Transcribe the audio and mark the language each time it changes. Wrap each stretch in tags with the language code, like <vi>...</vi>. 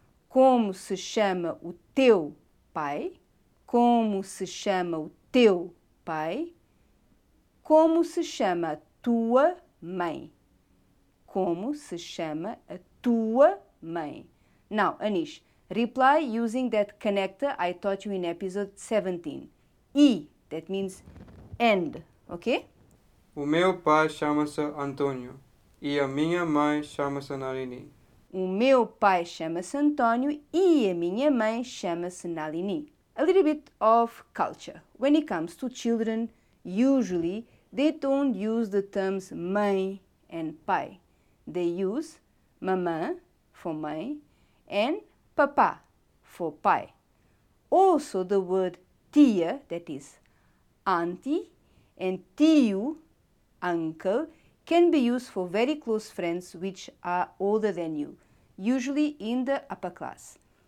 <pt>Como se chama o teu pai? Como se chama o teu pai? Como se chama a tua mãe? Como se chama a tua mãe?</pt> <en>Now, Anish, reply using that connector I taught you in episode 17. E, that means and, ok?</en> <pt>O meu pai chama-se António e a minha mãe chama-se Nalini. O meu pai chama-se António e a minha mãe chama-se Nalini.</pt> <en>A little bit of culture. When it comes to children, usually they don't use the terms mãe and pai. They use mamã for mãe and papá for pai. Also the word tia, that is auntie, and tio, uncle, can be used for very close friends which are older than you, usually in the upper class.</en>